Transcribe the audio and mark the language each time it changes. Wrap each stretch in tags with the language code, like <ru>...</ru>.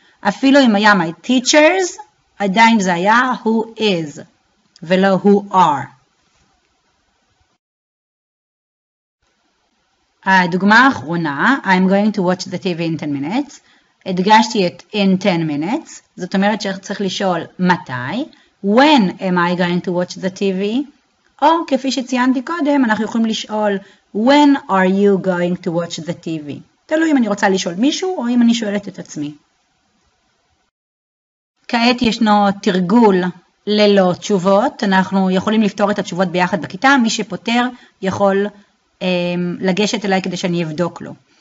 <he>אפילו אם היה my teachers, עדיין זה היה who is ולא who are. הדוגמה האחרונה,</he> <en>I'm going to watch the TV in 10 minutes.</en> <he>הדגשתי את in 10 minutes, זאת אומרת שצריך לשאול מתי,</he> <en>When am I going to watch the TV?</en> <he>או כפי שציינתי קודם, אנחנו יכולים לשאול</he> <en>When are you going to watch the TV?</en> <he>תלוי אם אני רוצה לשאול מישהו או אם אני שואלת את עצמי. כעת ישנו תרגול ללא תשובות. אנחנו יכולים לפתור את התשובות ביחד בכיתה. מי שפותר יכול לגשת אליי כדי שאני אבדוק לו.</he>